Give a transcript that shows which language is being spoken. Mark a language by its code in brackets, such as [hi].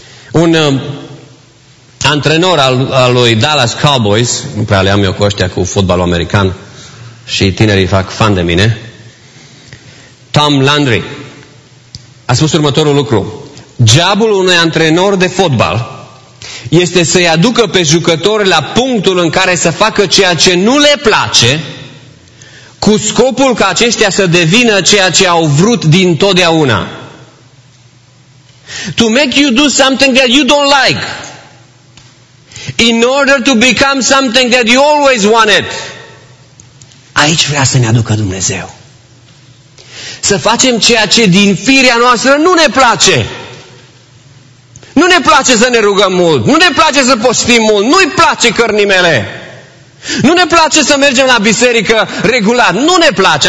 [ro] Un antrenor al lui Dallas Cowboys, nu prea le am eu cu ăștia cu fotbalul american și tinerii fac fan de mine, Tom Landry, a spus următorul lucru. Jobul unui antrenor de fotbal este să-i aducă pe jucători la punctul în care să facă ceea ce nu le place, cu scopul ca aceștia să devină ceea ce au vrut din totdeauna. [en] To make you do something that you don't like, in order to become something that you always wanted. [ro] Aici vrea să ne aducă Dumnezeu. Să facem ceea ce din firea noastră nu ne place. Nu ne place să ne rugăm mult. Nu ne place să postim mult. Nu-i place cărnimele. Nu ne place să mergem la biserică regulat. Nu ne place.